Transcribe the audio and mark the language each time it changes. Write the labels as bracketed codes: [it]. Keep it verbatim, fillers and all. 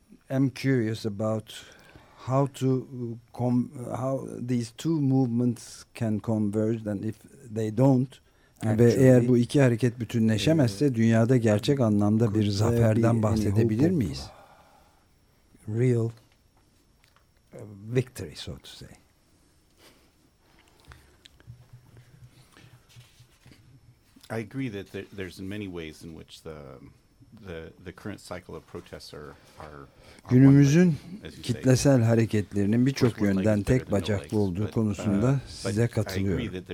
[en] I'm curious about how to com- how these two movements can converge, and if they don't. [tr] Ve eğer bu iki hareket bütünleşemezse dünyada gerçek anlamda bir zaferden bahsedebilir miyiz? [en] Real victory, so to say. I agree that there's many ways in which the the the current cycle of protests are are [tr] günümüzün kitlesel hareketlerinin birçok yönden tek bacaklı olduğu konusunda size katılıyorum.